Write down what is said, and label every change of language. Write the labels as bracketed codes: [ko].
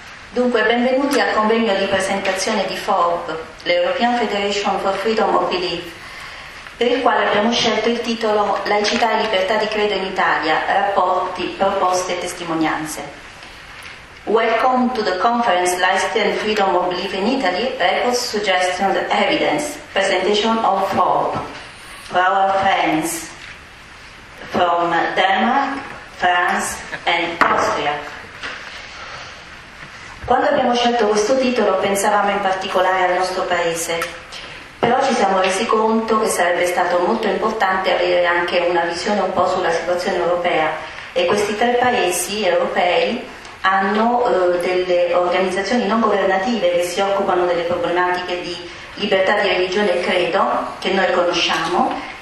[it] Dunque, benvenuti al convegno di presentazione di FOB, l'European Federation for Freedom of Belief, per il quale abbiamo scelto il titolo Laicità e libertà di credo in Italia, rapporti, proposte e testimonianze. [en] Welcome to the conference Laicity and Freedom of Belief in Italy, Records, Suggestions, Evidence, Presentation of FOB, for our friends from Denmark, France and Austria. [it] Quando abbiamo scelto questo titolo pensavamo in particolare al nostro paese, però ci siamo resi conto che sarebbe stato molto importante avere anche una visione un po' sulla situazione europea, e questi tre paesi europei hanno delle organizzazioni non governative che si occupano delle problematiche di libertà di religione e credo, che noi conosciamo,